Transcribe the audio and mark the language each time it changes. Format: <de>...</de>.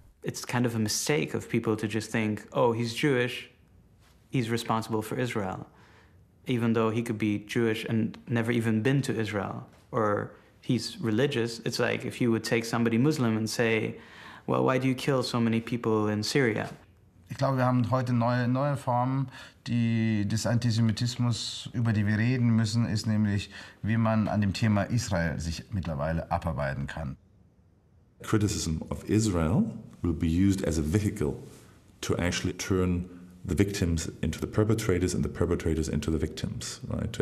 <en>It's kind of a mistake of people to just think, oh, he's Jewish, he's responsible for Israel, even though he could be Jewish and never even been to Israel, or he's religious. It's like if you would take somebody Muslim and say, well, why do you kill so many people in Syria?</en> <de>Ich glaube, wir haben heute neue Formen des Antisemitismus, über die wir reden müssen, ist nämlich, wie man an dem Thema Israel sich mittlerweile abarbeiten kann.</de> <en>Criticism of Israel will be used as a vehicle to actually turn the victims into the perpetrators and the perpetrators into the victims, right?</en>